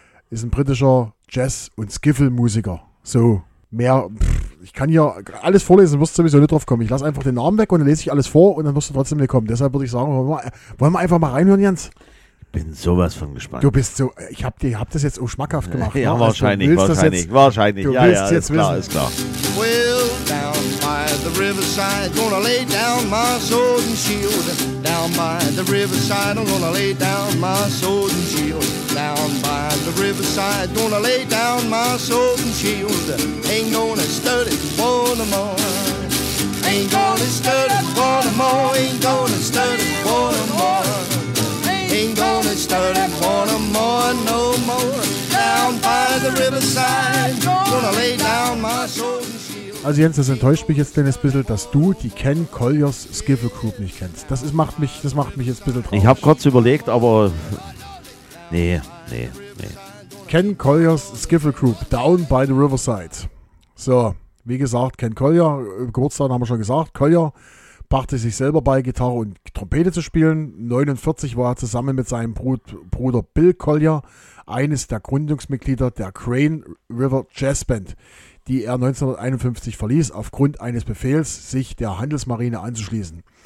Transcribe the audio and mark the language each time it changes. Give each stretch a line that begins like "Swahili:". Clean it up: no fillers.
German: Ist ein britischer Jazz- und Skiffle-Musiker. So, mehr, ich kann hier alles vorlesen, wirst sowieso nicht drauf kommen. Ich lasse einfach den Namen weg und dann lese ich alles vor und dann wirst du trotzdem nicht kommen. Deshalb würde ich sagen, wollen wir einfach mal reinhören, Jens? Bin sowas von gespannt. Du bist so, ich hab das jetzt auch schmackhaft gemacht. Ja, ne? wahrscheinlich. Du willst ja, jetzt wissen. Ist klar, ist klar.
English: Well, down by the riverside, gonna lay down my sword and shield. Down by the riverside, I'm gonna lay down my sword and shield. Down by the riverside, gonna lay down my sword and shield. Ain't gonna stir it for no more. Ain't gonna stir it for no more. Ain't gonna stir it for no more. Ain't gonna stir it for no more, no more. Down by the riverside, gonna lay down my sword and shield.
German: Also Jens, das enttäuscht mich jetzt ein bisschen, dass du die Ken Colliers Skiffle Group nicht kennst. Das macht mich jetzt ein bisschen traurig. Ich habe kurz überlegt, aber nee. Ken Colliers Skiffle Group, Down by the Riverside. So, wie gesagt, Ken Collier, Geburtstag haben wir schon gesagt, Collier brachte sich selber bei, Gitarre und Trompete zu spielen. 1949 war er zusammen mit seinem Bruder Bill Collier eines der Gründungsmitglieder der Crane River Jazz Band, die er 1951 verließ, aufgrund eines Befehls, sich der Handelsmarine anzuschließen.